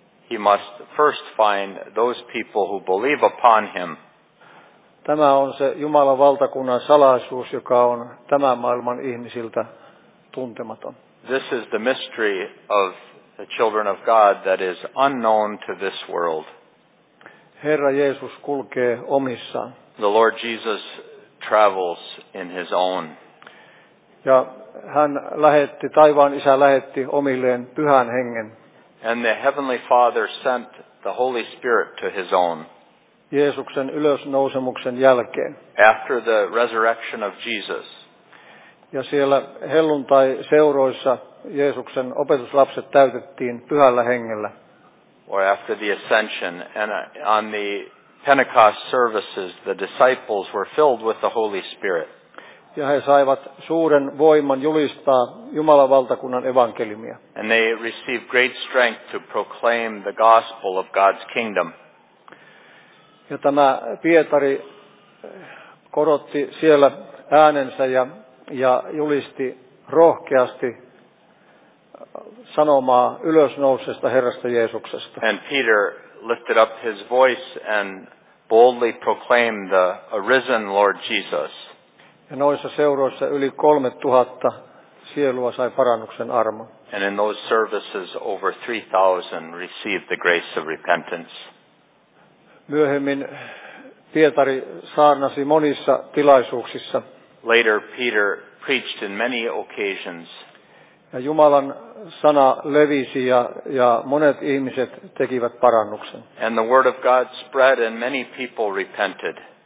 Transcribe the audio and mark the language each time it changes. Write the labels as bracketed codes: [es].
[en] He must first find those people who believe upon him. [fi] Tämä on se Jumalan valtakunnan salaisuus, joka on tämän maailman ihmisiltä tuntematon. [en] This is the mystery of the children of God that is unknown to this world. [fi] Herra Jeesus kulkee omissaan. [en] The Lord Jesus travels in his own. [fi] Ja hän lähetti, taivaan isä lähetti omilleen pyhän hengen. [en] And the heavenly Father sent the Holy Spirit to his own. [fi] Jeesuksen ylösnousemuksen jälkeen. [en] After the resurrection of Jesus. [fi] Ja siellä helluntai-seuroissa Jeesuksen opetuslapset täytettiin pyhällä hengellä. [en] Or after the ascension. And on the Pentecost services, the disciples were filled with the Holy Spirit. [fi] Ja he saivat suuren voiman julistaa Jumalan valtakunnan evankeliumia. [en] And they received great strength to proclaim the gospel of God's kingdom. [fi] Ja tämä Pietari korotti siellä äänensä ja julisti rohkeasti sanomaa ylösnousesta Herrasta Jeesuksesta. [en] And Peter lifted up his voice and boldly proclaimed the arisen Lord Jesus. [fi] Ja noissa seuroissa yli 3000 sielua sai parannuksen armon. [en] And in those services over 3000 received the grace of repentance. [fi] Myöhemmin Pietari saarnasi monissa tilaisuuksissa. [en] Later Peter preached in many occasions. [fi] Ja Jumalan sana levisi ja monet ihmiset tekivät parannuksen. [en] And the word of God spread and many people repented.